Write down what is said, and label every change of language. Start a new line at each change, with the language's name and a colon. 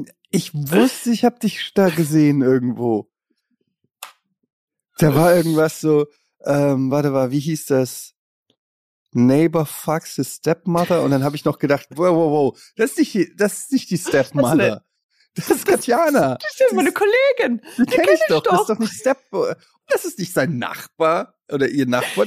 German: Ich wusste, ich habe dich da gesehen irgendwo. Da war irgendwas so, warte mal, wie hieß das?
English: Neighbor fucks his stepmother?
German: Und dann habe ich noch gedacht, wow, das ist nicht die Stepmother. Das ist Katjana. Das ist meine Kollegin. Die kenn ich doch. Das ist doch nicht das ist nicht sein Nachbar oder ihr Nachbar.